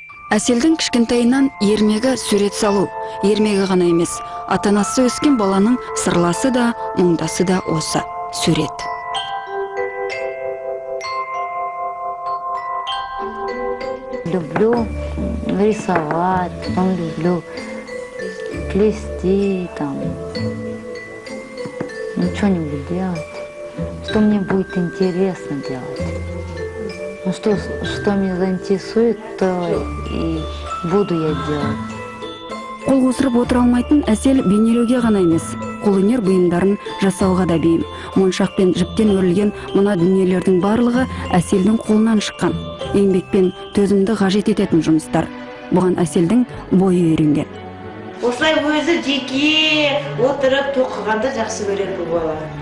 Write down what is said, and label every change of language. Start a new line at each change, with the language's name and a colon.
Kazakh: Әселдің кішкентайынан ермегі сурет салу, ермегі ғана емес, ата-анасы өскен баланың сырласы да, мұңдасы да осы сурет.
Russian: Люблю рисовать, потом люблю плести, там, ну, что-нибудь делать, что мне будет интересно делать. Ну, что меня заинтересует, то и буду я делать.
Kazakh: Қол қосырып отыра алмайтын Әсел бейнелеуге ғана емес. Қолөнер бұйымдарын жасауға да бейім. Моншақ пен жіптен өрілген мына дүниелердің барлығы Әселдің қолынан шыққан. Еңбек пен төзімді ғажет ететін жұмыстар. Бұған Әселдің бойы үйренген. Осылай өзі жеке отырып тоқығанды жақсы көреді бұл бала.